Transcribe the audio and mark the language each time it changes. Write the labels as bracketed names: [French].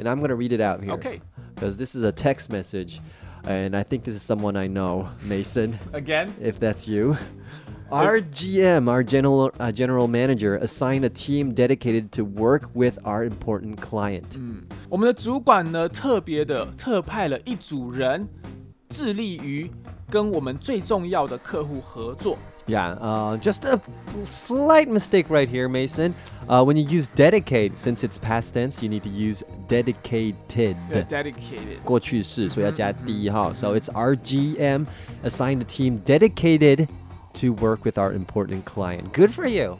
[English] and I'm going to read it out here. Okay. Because this is a text message and I think this is someone I know, Mason. Again? If that's you. Our GM, our general manager, assigned a team dedicated to work with our important client.、嗯、 [Chinese] 我们的主管呢，特别的特派了一组人，致力于跟我们最重要的客户合作。 [English] Yeah, just a slight mistake right here, Mason. When you use dedicate, since it's past tense, you need to use dedicated. Dedicated. [Chinese] 过去式，所以要加 d 哈。 [English] So it's our GM assigned a team dedicated. To work with our important client. Good for you.